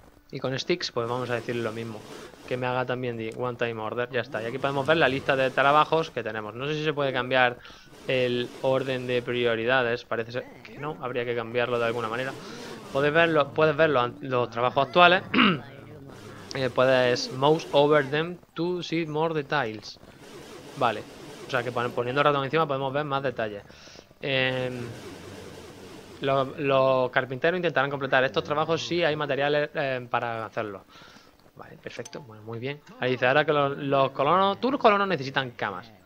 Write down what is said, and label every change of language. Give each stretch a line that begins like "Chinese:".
Spanish: Y con sticks, pues vamos a decirle lo mismo. Que me haga también de
English: one time order.
Spanish: Ya está. Y aquí podemos ver la lista de trabajos que tenemos. No sé si se puede cambiar el orden de prioridades. Parece ser que no. Habría que cambiarlo de alguna manera. Puedes ver los trabajos actuales. Puedes
English: mouse over them to see more details.
Spanish: Vale. O sea que poniendo el ratón encima podemos ver más detalles. Los carpinteros intentarán completar estos trabajos si hay materiales para hacerlo. Vale, perfecto. Bueno, muy bien. Ahí dice, ahora que tus colonos necesitan camas.